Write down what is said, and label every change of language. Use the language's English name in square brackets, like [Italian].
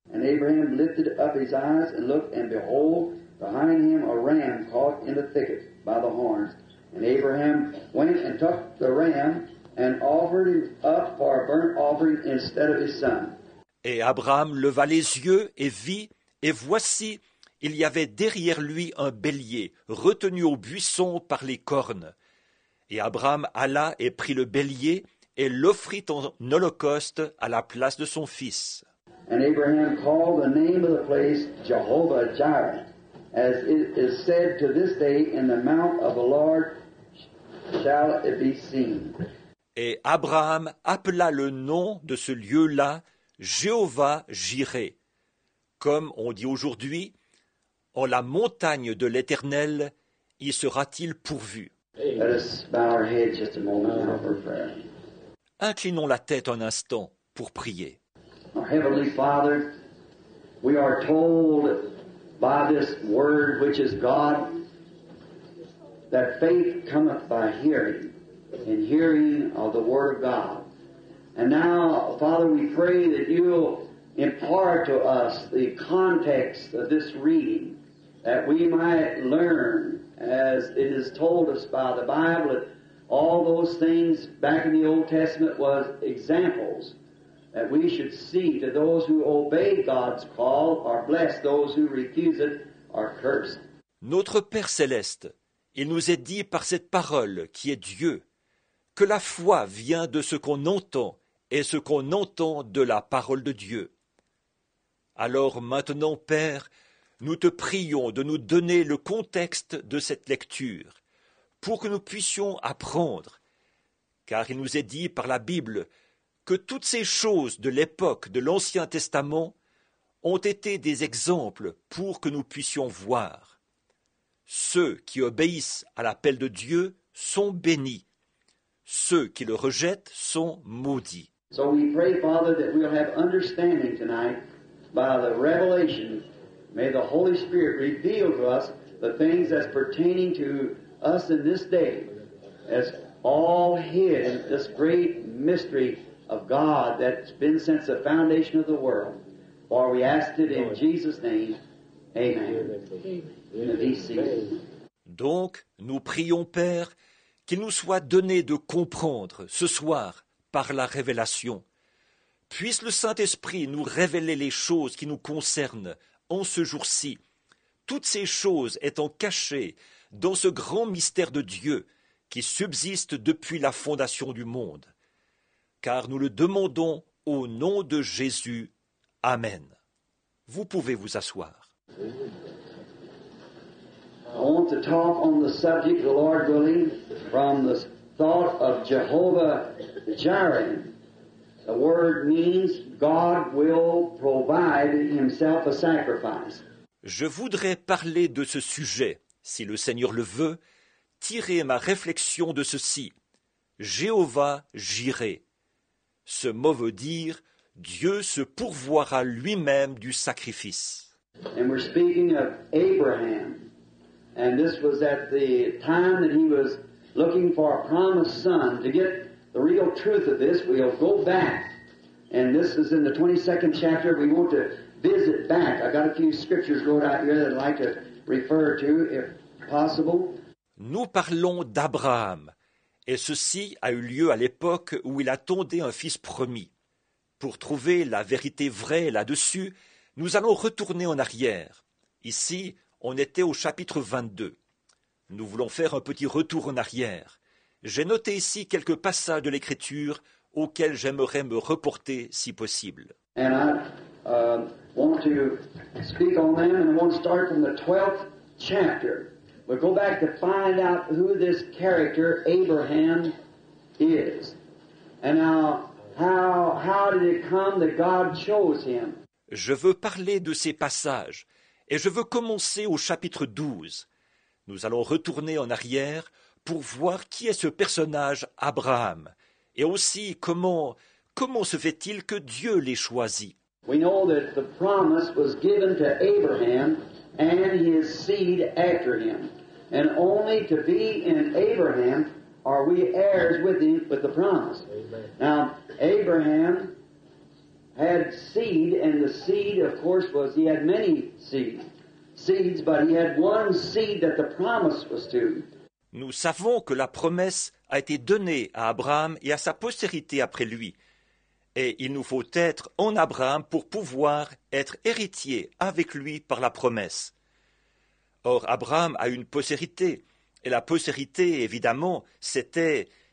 [English] And Abraham lifted up his eyes and looked, and behold, behind him a ram caught in the thicket by the horns. And Abraham went and took the ram and offered him up for a burnt offering instead of his son. [French] Et Abraham leva les yeux et vit, et voici, il y avait derrière lui un bélier retenu au buisson par les cornes. Et Abraham alla et prit le bélier et l'offrit en holocauste à la place de son fils. [English] And Abraham called the name of the place Jehovah Jireh, as it is said to this day, in the mount of the Lord shall it be seen. [French] Et Abraham appela le nom de ce lieu-là Jéhovah Jireh, comme on dit aujourd'hui, en la montagne de l'Éternel y sera-t-il pourvu. [English] Let us bow our heads just a moment for prayer. [French] Inclinons la tête un instant pour prier. [English] Our Heavenly Father, we are told by this word which is God that faith cometh by hearing, and hearing of the word of God. And now, Father, we pray that you'll impart to us the context of this reading, that we might learn, as it is told us by the Bible, that all those things back in the Old Testament was examples that we should see, to those who obey God's call are blessed, those who refuse it are cursed. [French] Notre Père Céleste, il nous est dit par cette parole qui est Dieu, que la foi vient de ce qu'on entend et ce qu'on entend de la parole de Dieu. Alors maintenant, Père, nous te prions de nous donner le contexte de cette lecture, pour que nous puissions apprendre, car il nous est dit par la Bible que toutes ces choses de l'époque de l'Ancien Testament ont été des exemples pour que nous puissions voir. Ceux qui obéissent à l'appel de Dieu sont bénis. Ceux qui le rejettent sont maudits. [English] So we pray, Father, that we'll have understanding tonight by the revelation. May the Holy Spirit reveal to us the things that's pertaining to us in this day, as all hid in this great mystery of God that's been since the foundation of the world. For we ask it in Jesus' name. Amen. [French] Donc, nous prions, Père, qu'il nous soit donné de comprendre ce soir par la révélation. Puisse le Saint-Esprit nous révéler les choses qui nous concernent en ce jour-ci, toutes ces choses étant cachées dans ce grand mystère de Dieu qui subsiste depuis la fondation du monde. Car nous le demandons au nom de Jésus. Amen. Vous pouvez vous asseoir. [English] I want to talk on the subject, the Lord willing, from the thought of Jehovah Jireh. The word means God will provide himself a sacrifice. [French] Je voudrais parler de ce sujet, si le Seigneur le veut, tirer ma réflexion de ceci. Jéhovah Jireh. Ce mot veut dire Dieu se pourvoira lui-même du sacrifice. [English] And we're speaking of Abraham. And this was at the time that he was looking for a promised son. To get the real truth of this, we'll go back. And this is in the 22nd chapter. We want to visit back. I've got a few scriptures wrote out here that I'd like to refer to, if possible. [French] Nous parlons d'Abraham. Et ceci a eu lieu à l'époque où il attendait un fils promis. Pour trouver la vérité vraie là-dessus, nous allons retourner en arrière. Ici, on était au chapitre 22. Nous voulons faire un petit retour en arrière. J'ai noté ici quelques passages de l'Écriture auxquels j'aimerais me reporter si possible. [English] And I want to speak on them and I want to start from the 12th chapter. We'll go back to find out who this character Abraham is. And now, how did it come that God chose him? [French] Je veux parler de ces passages et je veux commencer au chapitre 12. Nous allons retourner en arrière pour voir qui est ce personnage Abraham et aussi comment se fait-il que Dieu l'ait choisi. [English] We know that the promise was given to Abraham and his seed after him. And only to be in Abraham are we heirs with him with the promise. Amen. Now, Abraham had seed, and the seed, of course, was he had many seeds, but he had one seed that the promise was to. [French] Nous savons que la promesse a été donnée à Abraham et à sa postérité après lui. Et il nous faut être en Abraham pour pouvoir être héritier avec lui par la promesse. Or, Abraham a une postérité. Et la postérité, évidemment, c'était...